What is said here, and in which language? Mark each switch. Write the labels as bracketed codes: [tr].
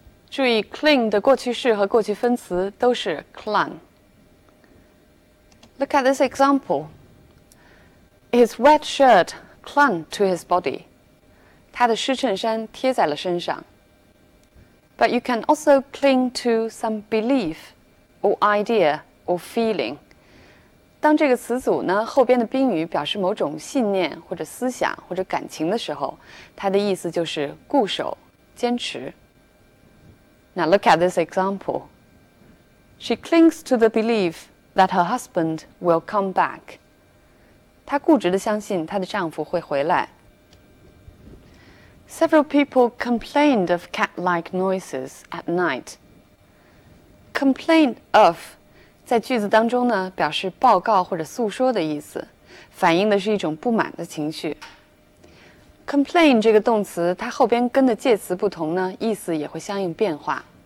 [zh] 注意 cling 的过去式和过去分词都是 clung. [en] Look at this example. His wet shirt clung to his body. [zh] 他的湿衬衫贴在了身上。 [en] But you can also cling to some belief or idea or feeling. [zh] 当这个词组呢后边的宾语表示某种信念或者思想或者感情的时候它的意思就是固守坚持。 [en] Now look at this example. She clings to the belief that her husband will come back. [zh] 她固执地相信她的丈夫会回来。 [en] Several people complained of cat-like noises at night. [zh] Complained of, 在句子当中呢，表示报告或者诉说的意思，反映的是一种不满的情绪。 Complain 这个动词，它后边跟的介词不同呢，意思也会相应变化。